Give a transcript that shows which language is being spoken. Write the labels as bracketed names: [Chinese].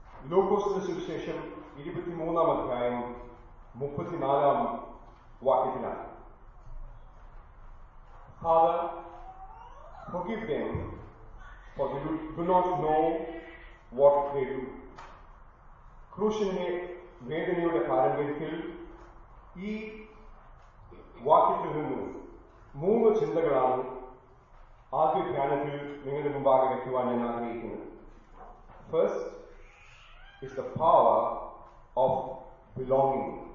[Malayalam] ലൂക്കോസിന്റെ സുവിശേഷം 23 അധ്യായം 34 വാക്യത്തിലാണ്. [English] Father, forgive them, for they do not know what they do. [Malayalam] ക്രൂശിന്റെ വേദനയുടെ പാരമ്പര്യത്തിൽ ഈ വാക്യത്തിൽ നിന്ന് മൂന്ന് ചിന്തകളാണ് ആദ്യ ധ്യാനത്തിൽ നിങ്ങളുടെ മുമ്പാകെ വയ്ക്കുവാൻ ഞാൻ ആഗ്രഹിക്കുന്നത്. [English] First is the power of belonging.